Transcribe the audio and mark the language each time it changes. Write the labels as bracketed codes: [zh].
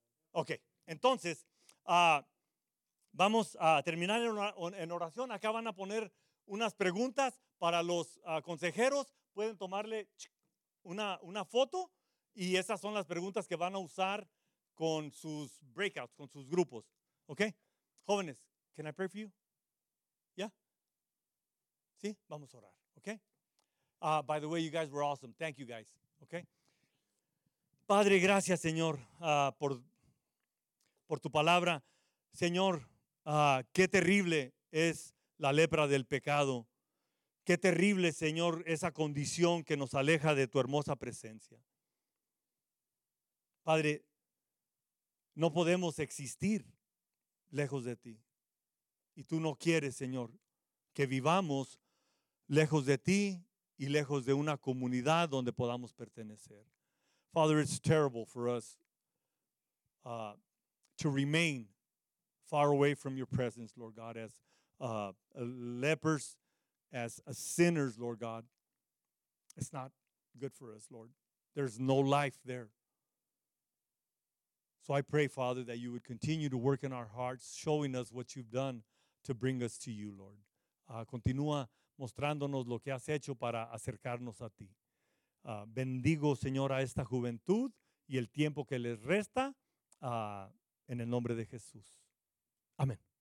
[es] Ok, entonces vamos a terminar en oración. Acá van a poner unas preguntas para los consejeros. Pueden tomarle una foto. Y esas son las preguntas que van a usar con sus breakouts, con sus grupos. ¿Ok? [en] Jóvenes, can I pray for you? Yeah? [es] Sí, vamos a orar. [en] ¿Ok? By the way, you guys were awesome. Thank you guys. ¿Ok? [es] Padre, gracias, Señor, por tu palabra. Señor, qué terrible es la lepra del pecado. Qué terrible, Señor, esa condición que nos aleja de tu hermosa presencia. Padre, no podemos existir lejos de ti. Y tú no quieres, Señor, que vivamos lejos de ti y lejos de una comunidad donde podamos pertenecer. [en] Father, it's terrible for us to remain far away from your presence, Lord God, as lepers, as sinners, Lord God. It's not good for us, Lord. There's no life there. So I pray, Father, that you would continue to work in our hearts, showing us what you've done to bring us to you, Lord. [es] Continúa mostrándonos lo que has hecho para acercarnos a ti. Bendigo, Señor, a esta juventud y el tiempo que les resta, en el nombre de Jesús. Amén.